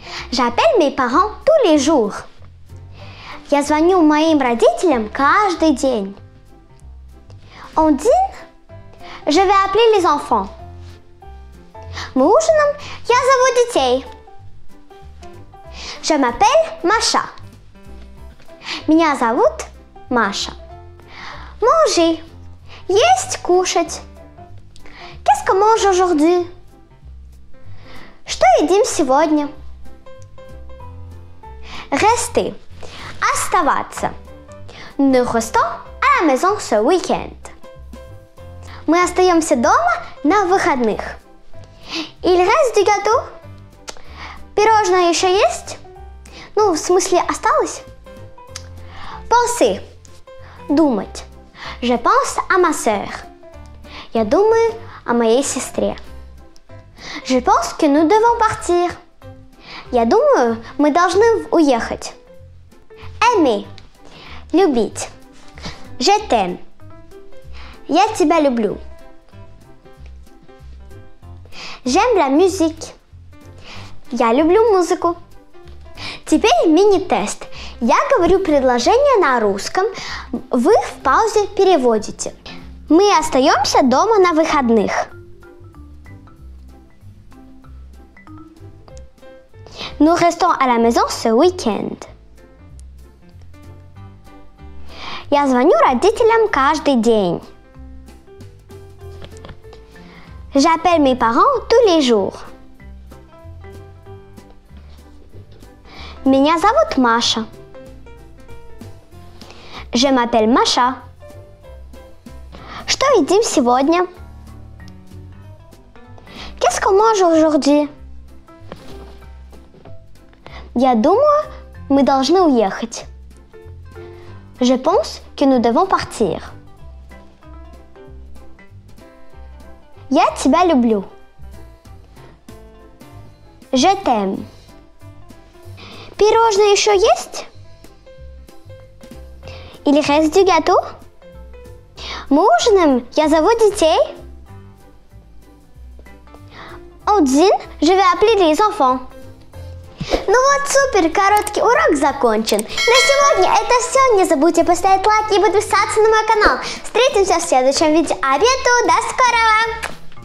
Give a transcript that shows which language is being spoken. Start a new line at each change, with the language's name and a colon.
French: J'appelle mes parents tous les jours.
Russian: Я звоню моим родителям каждый день.
French: On dîne. Je vais appeler les enfants.
Russian: Мы ужином. Я зову детей.
French: Je m'appelle Маша.
Russian: Меня зовут Маша.
French: Manger.
Russian: Есть, кушать.
French: Qu'est-ce qu'on mange aujourd'hui?
Russian: Что едим сегодня?
French: Rester.
Russian: Оставаться.
French: Nous restons à la maison ce week-end.
Russian: Мы остаемся дома на выходных.
French: Il reste du gâteau?
Russian: Пирожное еще есть? Ну, в смысле, осталось?
French: Penser.
Russian: Думать.
French: Je pense à ma sœur.
Russian: Я думаю о моей сестре.
French: Je pense que nous devons partir.
Russian: Я думаю, мы должны уехать.
French: Aimer.
Russian: Любить.
French: Je t'aime.
Russian: Я тебя люблю.
French: J'aime la musique.
Russian: Я люблю музыку. Теперь мини-тест. Я говорю предложение на русском. Вы в паузе переводите. Мы остаемся дома на выходных.
French: Nous restons à la maison ce weekend.
Russian: Я звоню родителям каждый день.
French: J'appelle mes parents tous les jours.
Russian: Меня зовут Маша.
French: Je m'appelle Маша.
Russian: Что едим сегодня?
French: Qu'est-ce qu'on mange aujourd'hui?
Russian: Я думаю, мы должны уехать.
French: Je pense que nous devons partir.
Russian: Я тебя люблю.
French: Je t'aime.
Russian: Пирожное еще есть?
French: Il reste du gâteau?
Russian: Мы ужинаем, я зову детей.
French: On dîne, je vais appeler les enfants.
Russian: Ну вот, супер, короткий урок закончен. На сегодня это все. Не забудьте поставить лайк и подписаться на мой канал. Встретимся в следующем видео. Обед, до скорого!